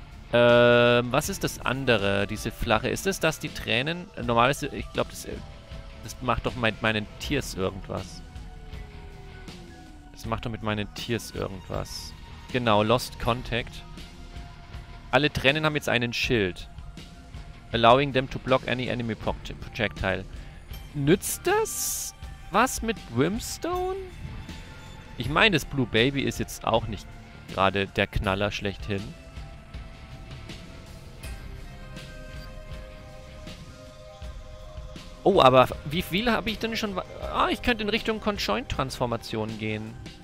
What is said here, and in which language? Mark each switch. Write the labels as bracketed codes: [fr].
[de] Was ist das andere? Diese flache. Ist es, dass die Tränen... Normalerweise, ich glaube, das macht doch meinen Tears irgendwas. Das macht doch mit meinen Tears irgendwas. Genau, Lost Contact. Alle Tränen haben jetzt einen Schild. [en] Allowing them to block any enemy projectile. [de] Nützt das was mit Brimstone? Ich meine, das Blue Baby ist jetzt auch nicht gerade der Knaller schlechthin. Oh, aber wie viel habe ich denn schon? Ah, ich könnte in Richtung Conjoint-Transformation gehen.